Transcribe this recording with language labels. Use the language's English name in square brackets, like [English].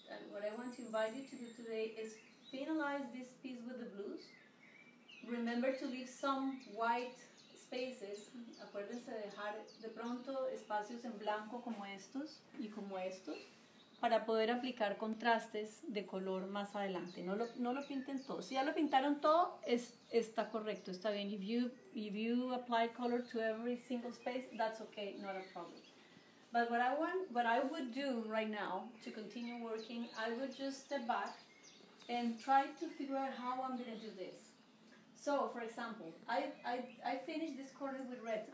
[English] What I want to invite you to do today is finalize this piece with the blues. Remember to leave some white spaces. [Spanish] Acuérdense de dejar de pronto espacios en blanco como estos y como estos, para poder aplicar contrastes de color más adelante. No lo pinten todo. Si ya lo pintaron todo, está correcto, está bien. [English] If you apply color to every single space, that's okay, not a problem. But what I would do right now to continue working, I would just step back and try to figure out how I'm gonna do this. So, for example, I finished this corner with reds.